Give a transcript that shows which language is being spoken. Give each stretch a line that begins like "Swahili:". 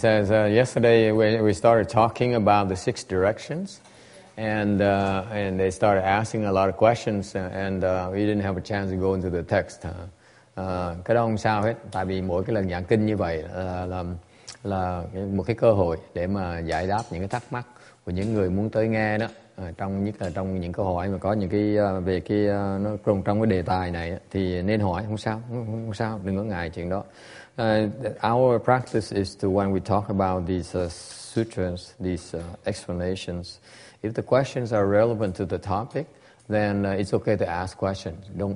English: says, yesterday we started talking about the six directions, and they started asking a lot of questions, and we didn't have a chance to go into the text.
Vietnamese: Cái đó không sao hết, tại vì mỗi cái lần giảng kinh như vậy là một cái cơ hội để mà giải đáp những cái thắc mắc của những người muốn tới nghe đó. Trong những câu hỏi mà có những cái về cái nó trong trong cái đề tài này thì nên hỏi, không sao, đừng có ngại chuyện đó.
English: Our practice is to when we talk about these sutras, these explanations, if the questions are relevant to the topic, then it's okay to ask questions.